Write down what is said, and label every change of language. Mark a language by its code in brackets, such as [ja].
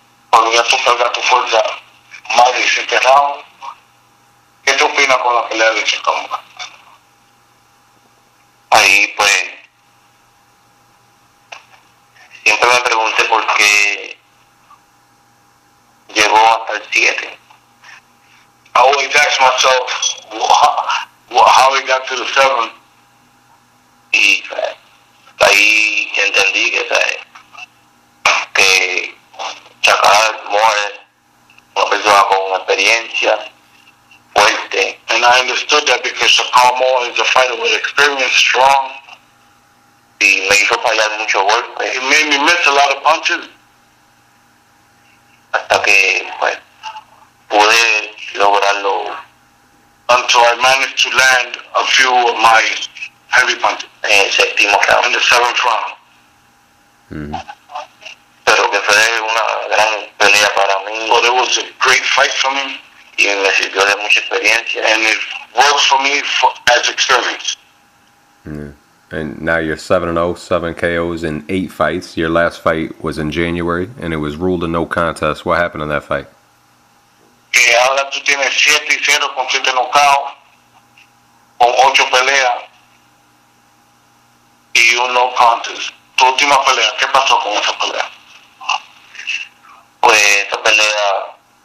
[es] Cuando ya tú cargas tu fuerza, más de siete rounds, ¿qué te opinas con la pelea de Chaka Moore? Ahí, pues, siempre me pregunté por qué llegó hasta el 7. [en] I always ask myself how he got to the 7. [es] Y ahí entendí que, Chaka Moore es una persona con experiencia fuerte. [en] And I understood that because Chaka Moore is a fighter with experience, strong. [es] Y me hizo fallar mucho golpe. [en] He made me miss a lot of punches. [es] Hasta que, pude lograrlo. [en] Until I managed to land a few of my heavy punches. [es] En el séptimo round. [en] In the seventh round. [es] Pero que fue una gran pelea para mí. [en] But it was a great fight for me. [es] Y me sirvió de mucha experiencia. [en] And it worked for me as experience. And now you're 7-0, 7 KOs in 8 fights. Your last fight was in January, and it was ruled a no contest. What happened in that fight? [es] Ahora tú tienes 7-0 con 7 knockouts, con 8 peleas, y un no contest. Tu última pelea, ¿qué pasó con esa pelea? Pues esa pelea...